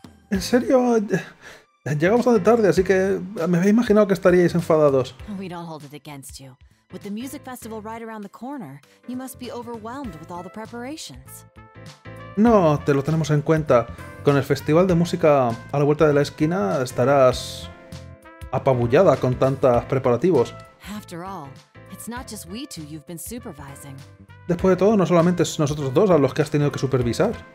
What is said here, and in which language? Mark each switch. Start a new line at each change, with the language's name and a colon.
Spanish: ¿En serio? Llegamos tarde, tarde, así que me había imaginado que estaríais enfadados.
English: We don't hold it against you. With the music festival right around the corner, you must be overwhelmed with all the preparations.
Spanish: No, te lo tenemos en cuenta. Con el festival de música a la vuelta de la esquina estarás apabullada con tantos preparativos.
English: After all, it's not just we two you've been supervising.
Spanish: Después de todo, no solamente es nosotros dos a los que has tenido que supervisar.